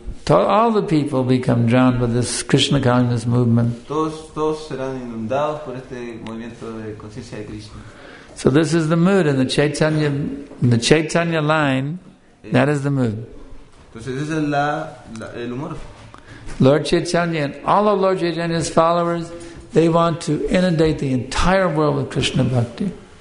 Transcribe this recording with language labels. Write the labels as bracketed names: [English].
[English] All the people become drowned by this Krishna consciousness movement. [Spanish] Todos serán inundados por este movimiento de conciencia de Krishna. [English] So this is the mood in the Chaitanya line. That is the mood. [Spanish] Entonces ese es el humor. [English] Lord Chaitanya and all of Lord Chaitanya's followers, they want to inundate the entire world with Krishna bhakti.